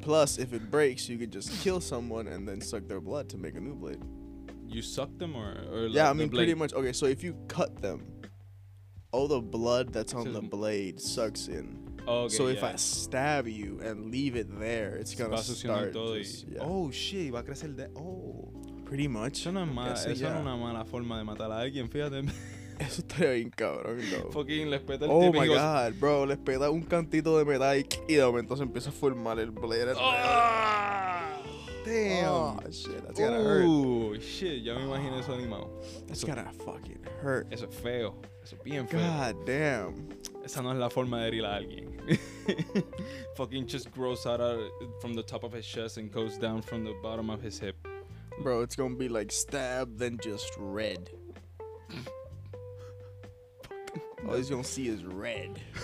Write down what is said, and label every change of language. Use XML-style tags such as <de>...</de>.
<en>Plus, if it breaks, you could just kill someone and then suck their blood to make a new blade. You suck them or like, yeah, I mean, pretty much. Okay, so if you cut them, all the blood that's on the blade sucks in. Okay, so yeah. If I stab you and leave it there, it's going to start. Oh, shit,</en> <es>va a crecer de... Oh.</es> <en>Pretty much.</en> <es>Eso no es una mala forma de matar a alguien, fíjate. Eso estaría bien cabrón, no. Fucking le espeta el oh típico.</es> <en>My god, bro,</en> <es>le espeta un cantito de metal y de momento se empieza a formar el blade.</es> <en>Oh, damn. Oh shit, that's gotta hurt.</en> <es>Shit, ya me imagino eso animado.</es> <en>That's gotta fucking hurt.</en> <es>Eso es feo. Eso es bien feo.</es> <en>God damn.</en> <es>Esa no es la forma de herir a alguien.</es> <en>Fucking just grows out from the top of his chest and goes down from the bottom of his hip. Bro, it's gonna be like stab then just red. All you're gonna see is red.</en>